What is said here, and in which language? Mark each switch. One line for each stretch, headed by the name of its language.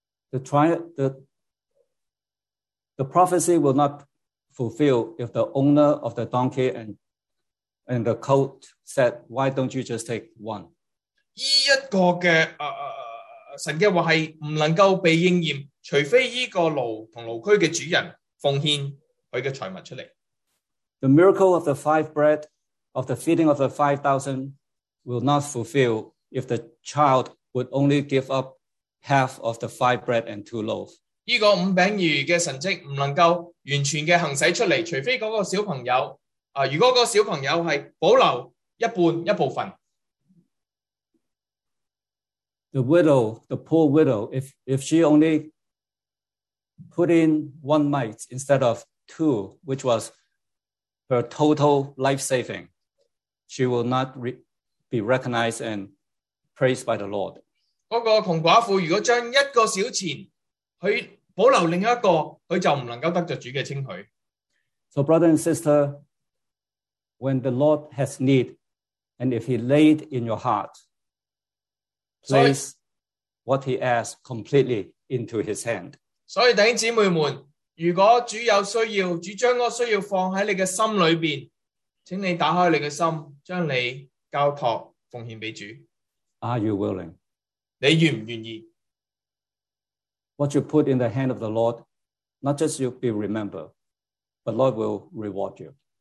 English: The prophecy will not fulfill if the owner of the donkey and the colt said, why don't you just take one?
Chinese: 这一个的神的话是不能够被应验，除非这个驴和驴驹的主人奉献他的财物出来。
English: The miracle of the five bread, of the feeding of the 5,000 will not fulfill if the child would only give up half of the five bread and two loaves.
Chinese: 这个五饼二鱼的神迹不能够完全的行使出来，除非那个小朋友，如果那个小朋友是保留一半一部分。
English: The widow, the poor widow, if she only put in one mite instead of two, which was her total life saving, she will not be recognized and praised by the Lord.
Chinese: 那个穷寡妇如果将一个小钱去保留另一个，她就不能够得着主的称许。
English: So brother and sister, when the Lord has need, and if he laid in your heart,place what he asks completely into his hand.
Chinese: 所以弟兄姊妹们，如果主有需要，主将个需要放在你的心里面，请你打开你的心，将你交托奉献给主。
English: Are you willing?
Chinese: 你愿不愿意？
English: What you put in the hand of the Lord, not just you be remembered, but Lord will reward you.